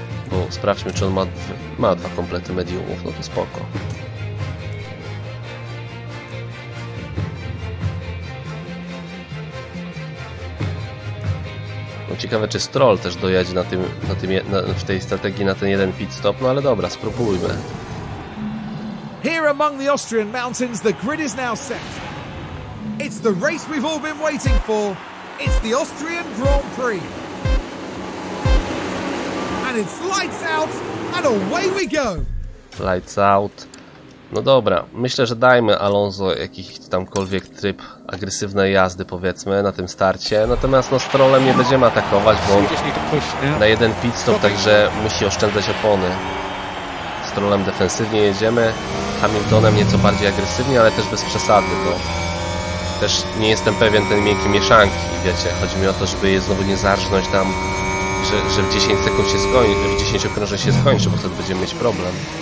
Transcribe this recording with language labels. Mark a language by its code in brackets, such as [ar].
[pl] Bo sprawdźmy, czy on ma dwa komplety mediumów, no to spoko. No ciekawe, czy Stroll też dojedzie w tej strategii na ten jeden pit stop, no ale dobra, spróbujmy. [en] Here among the Austrian mountains, the grid is now set. It's the race we've all been waiting for. It's the Austrian Grand Prix. And it's lights out, and away we go. Lights out. [pl] No dobra, myślę, że dajmy Alonso jakiś tamkolwiek tryb agresywnej jazdy, powiedzmy, na tym starcie. Natomiast no, Strollem nie będziemy atakować, bo on na jeden pit stop, także musi oszczędzać opony. Strollem defensywnie jedziemy. Hamiltonem nieco bardziej agresywnie, ale też bez przesady, bo też nie jestem pewien ten miękkie mieszanki, wiecie, chodzi mi o to, żeby je znowu nie zarżnąć tam, że w 10 sekund się skończy, w 10 okrążeń się skończy, bo wtedy będziemy mieć problem.